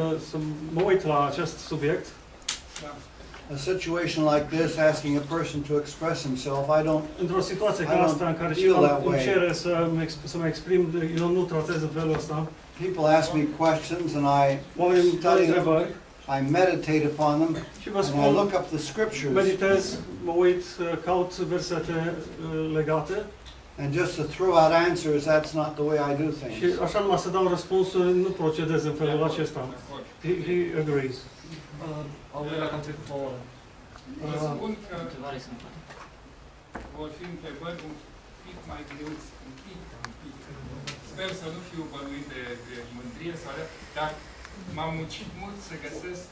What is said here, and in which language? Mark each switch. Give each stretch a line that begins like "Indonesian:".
Romanian: să mă uit la acest subiect.
English: A situation like this, asking a person to express himself, I don't.
Romanian: Într-o situație ca asta în care cineva îmi cere să-mi exprim, eu nu tratez în felul ăsta.
English: People ask me questions and I study them. I meditate upon them. And I look up the scriptures.
Romanian: Meditez, mă uit, caut versete legate.
English: And just to throw out answers, that's not the way I do things.
Romanian: Și așa numai să dau răspunsul, nu procedez în felul acesta.
English: He agrees.
Romanian: Au vrea că am trecut o oră. Vă spun că vor fi întrebări un pic mai greuți, un pic, un pic. Sper să nu fiu bănuit de mândrie, să arăt, dar m-am muncit mult să găsesc